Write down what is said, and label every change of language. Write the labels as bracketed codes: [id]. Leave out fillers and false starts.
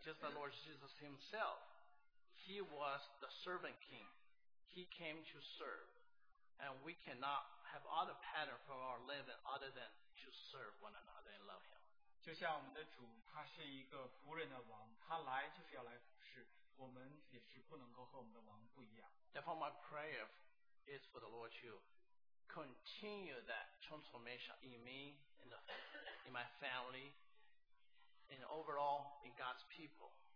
[en] just the Lord Jesus Himself, He was the servant King. He came to serve, and we cannot have other pattern for our living other than to serve one another and love Him. [zh] 就像我们的主，他是一个仆人的王，他来就是要来服侍，我们也是不能够和我们的王不一样。 [en] Therefore, my prayer is for the Lord to continue that transformation in me, in my family, and overall in God's people.